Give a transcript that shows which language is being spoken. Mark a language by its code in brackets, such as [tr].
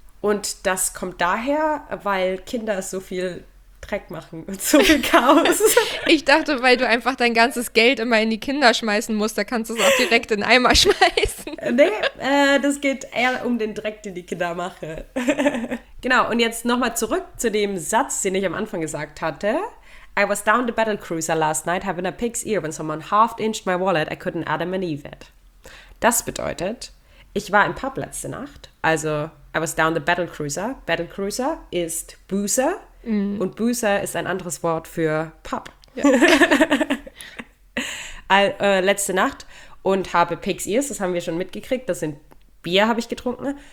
[de] Und das kommt daher, weil Kinder so viel Dreck machen und so viel Chaos. Ich dachte, weil du einfach dein ganzes Geld immer in die Kinder schmeißen musst, da kannst du es auch direkt in den Eimer schmeißen. Nee, das geht eher um den Dreck, den die Kinder machen. Genau, und jetzt nochmal zurück zu dem Satz, den ich am Anfang gesagt hatte. [en] I was down the battlecruiser last night having a pig's ear when someone half-inched my wallet, I couldn't Adam and Eve it. [de] Das bedeutet, ich war im Pub letzte Nacht, also [en] I was down the battlecruiser. [de] Battlecruiser ist Boozer. Mm. Und Boozer ist ein anderes Wort für Pub. Ja. letzte Nacht und habe Pig's Ears, das haben wir schon mitgekriegt, das sind Bier, habe ich getrunken.